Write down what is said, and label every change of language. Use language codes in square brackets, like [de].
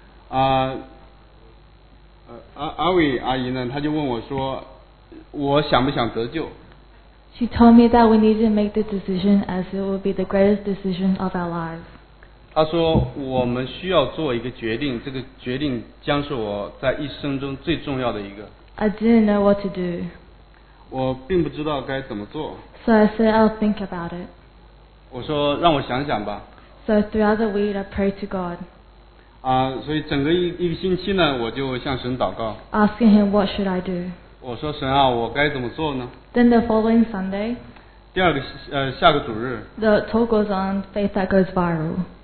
[en] She told me that we need to make the decision as it will be the greatest decision of our lives. [zh] 他说：“我们需要做一个决定，这个决定将是我在一生中最重要的一个。” [en] I didn't know what to do. [zh] 我并不知道该怎么做。 [en] So I said, I'll think about it. [zh] 我说让我想想吧。 [en] So throughout the week, I prayed to God. [zh] 啊，所以整个一个星期呢，我就向神祷告。 [en] Asking him, what should I do? [zh] 我说神啊，我该怎么做呢？ [en] Then the following Sunday, [zh] 第二个下个主日， [en] the talk goes on, faith that goes viral.